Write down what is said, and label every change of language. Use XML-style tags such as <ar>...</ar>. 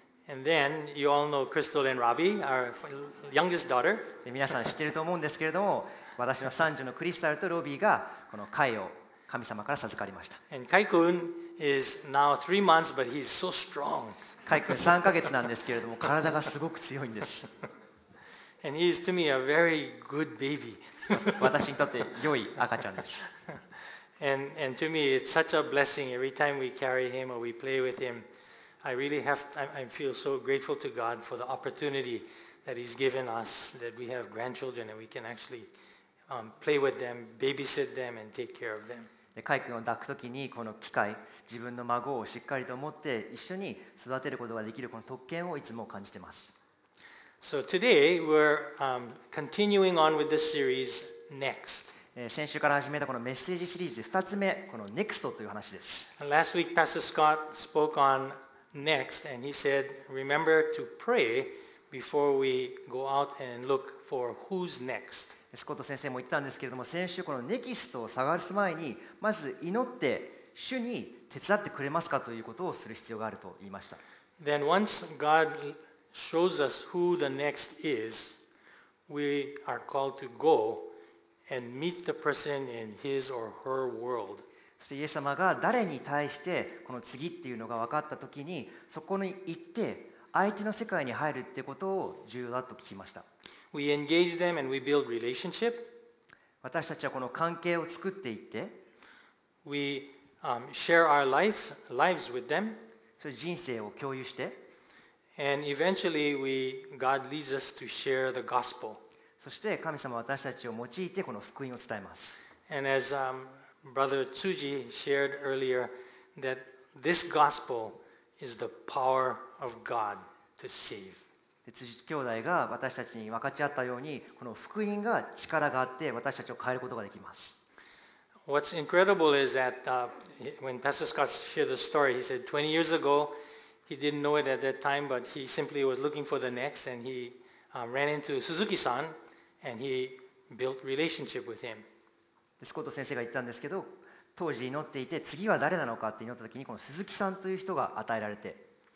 <en>And then you all know Crystal and Robbie, our youngest daughter.</en> <ja>皆さん知ってると思うんですけれども、私の三女のクリスタルとロビーがこのカイを神様から授かりました。</ja> <en>And Kai-kun is now 3 months, but he's so strong.</en> <ja>Kai-kun 三ヶ月なんですけれども、体がすごく強いんです。</ja> <en>And he is to me a very good baby.</en> <ja>私にとって良い赤ちゃんです。</ja> <en>And to me it's such a blessing every time we carry him or we play with him. I really have, I feel so grateful to God for the opportunity that He's given us, that we have grandchildren and we can actually. Play with them, babysit them, and take care of them.</en> <ja>で、カイ君を抱くときにこの機会、自分の孫をしっかりと持って一緒に育てることができるこの特権をいつも感じています。</ja> <en>So today we're continuing on with this series next.</en> <ja>先週から始めたこのメッセージシリーズで2つ目、この next という話です。</ja> <en>Last week Pastor Scott spoke on next and he said, remember to pray before we go out and look for who's next.</en> <ja>スコット先生も言ったんですけれども、先週このネキストを探す前に、まず祈って主に手伝ってくれますかということをする必要があると言いました。</ja> <en>Then once God shows us who the next is, we are called to go and meet the person in his or her world.</en> <ja>そしてイエス様が誰に対してこの次っていうのが分かったときに、そこに行って相手の世界に入るってことを重要だと聞きました。</ja> <en>We engage them and we build relationship.</en> <ja>私たちはこの関係を作っていって、</ja> <en>we share our lives with them.</en> <ja>そういう人生を共有して、</ja> <en>and eventually God leads us to share the gospel.</en> <ja>そして神様は私たちを用いてこの福音を伝えます。</ja> <en>And as Brother Tsuji shared earlier, that this gospel is the power of God to save.</en> <ja>辻兄弟が私たちに分かち合ったように、この福音が力があって私たちを変えることができます。</ja> <en>What's incredible is that when Pastor Scott shared the story, he said 20 years ago he didn't know it at that time, but he simply was looking for the next and he ran into Suzuki-san and he built relationship with him.</en> <ja>スコット先生が言ったんですけど、当時祈っていて次は誰なのかって祈った時に、この鈴木さんという人が与えられて、</ja>